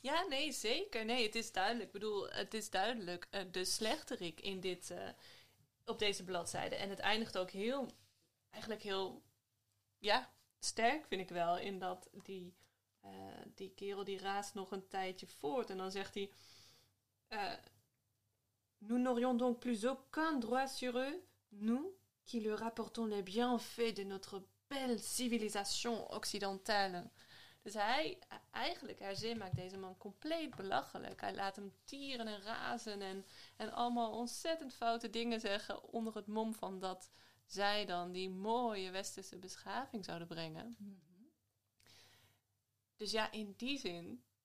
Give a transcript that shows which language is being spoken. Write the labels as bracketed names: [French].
[Dutch] Ja, nee, zeker. Nee, het is duidelijk. Ik bedoel, het is duidelijk de slechterik in dit, op deze bladzijde. En het eindigt ook heel sterk, vind ik wel, in dat die kerel die raast nog een tijdje voort. En dan zegt hij, [French] nous n'aurions donc plus aucun droit sur eux, nous qui leur rapportons les bienfaits de notre belle civilisation occidentale. [Dutch] Dus hij, eigenlijk, haar zin maakt deze man compleet belachelijk. Hij laat hem tieren en razen en allemaal ontzettend foute dingen zeggen onder het mom van dat zij dan die mooie westerse beschaving zouden brengen. Mm-hmm. Dus ja, in die zin...